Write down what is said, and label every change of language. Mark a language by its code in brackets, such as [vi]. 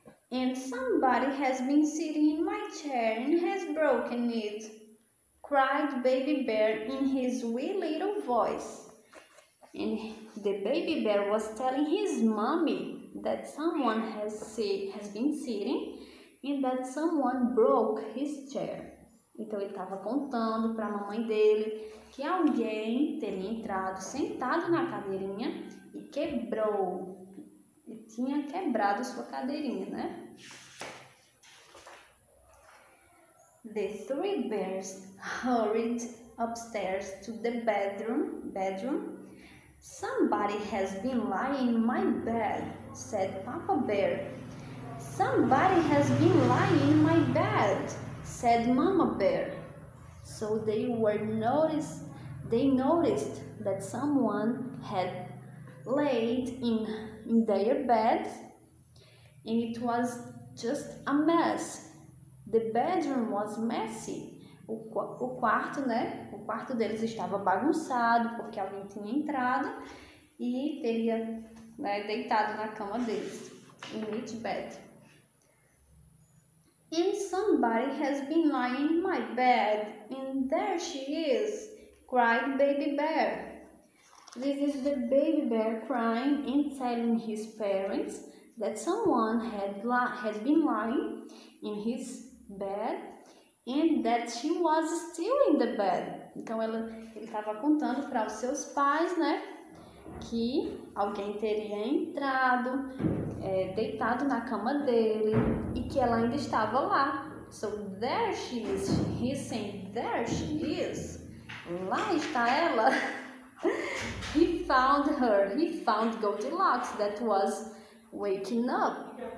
[en] And somebody has been sitting in my chair and has broken it, cried Baby Bear in his wee little voice. And the Baby Bear was telling his mommy that someone has been sitting and that someone broke his chair. [pt] Então ele estava contando para a mamãe dele que alguém teria entrado sentado na cadeirinha e quebrou. E tinha quebrado sua cadeirinha, né? [en] The three bears hurried upstairs to the bedroom. Somebody has been lying in my bed, said Papa Bear. Somebody has been lying in my bed, said Mama Bear. So they noticed that someone had laid in their bed, and it was just a mess. The bedroom was messy. [pt] O quarto, né? O quarto deles estava bagunçado porque alguém tinha entrado e teria, né, deitado na cama deles. [en] In each bed. And somebody has been lying in my bed, and there she is, cried Baby Bear. This is the Baby Bear crying and telling his parents that someone had been lying in his bed and that she was still in the bed. [pt] Então ele estava contando para os seus pais, né, que alguém teria entrado, deitado na cama dele e que ela ainda estava lá. [en] So there she is, he said, there she is. [pt] Lá está ela. [en] He found her, he found Goldilocks that was waking up.